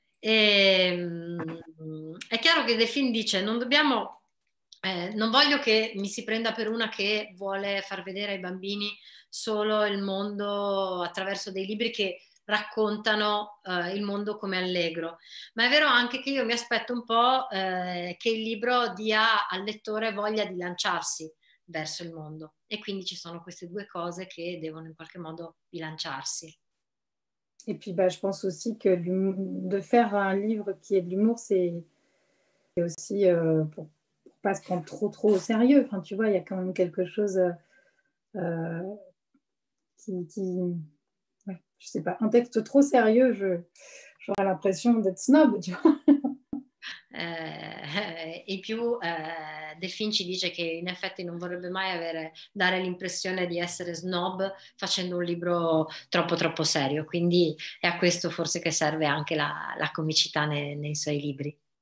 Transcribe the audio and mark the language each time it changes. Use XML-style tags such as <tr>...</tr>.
<it>È chiaro che De Fin dice: non dobbiamo, non voglio che mi si prenda per una che vuole far vedere ai bambini solo il mondo attraverso dei libri che raccontano il mondo come allegro, ma è vero anche che io mi aspetto un po' che il libro dia al lettore voglia di lanciarsi verso il mondo, e quindi ci sono queste due cose che devono in qualche modo bilanciarsi.</it> <fr>Et puis bah, je pense aussi que de faire un livre qui ait de l'humour, c'est aussi pour pas se prendre trop au sérieux. Enfin, tu vois, il y a quand même quelque chose qui ouais, je sais pas, un texte trop sérieux, j'aurais l'impression d'être snob, tu vois.</fr> <it>In più De Fin ci dice che in effetti non vorrebbe mai dare l'impressione di essere snob facendo un libro troppo serio, quindi è a questo forse che serve anche la comicità nei suoi libri.</it>